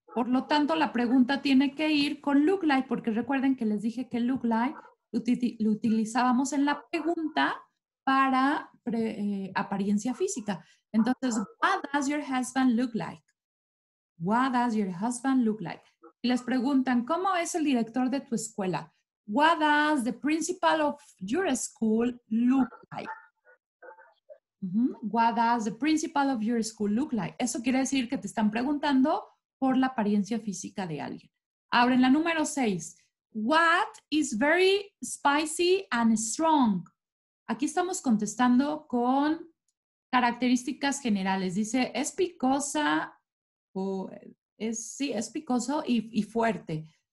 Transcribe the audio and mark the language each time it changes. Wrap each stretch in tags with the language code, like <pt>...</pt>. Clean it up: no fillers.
<es>Por lo tanto, la pregunta tiene que ir con look like, porque recuerden que les dije que look like lo utilizábamos en la pregunta para apariencia física. Entonces,</es> <en>what does your husband look like? What does your husband look like?</en> <es>Y les preguntan, ¿cómo es el director de tu escuela?</es> <en>What does the principal of your school look like? What does the principal of your school look like?</en> <es>Eso quiere decir que te están preguntando por la apariencia física de alguien. Ahora, en la número 6.</es> <en>What is very spicy and strong?</en> <es>Aquí estamos contestando con características generales. Dice, es picosa, es picoso y fuerte.</es>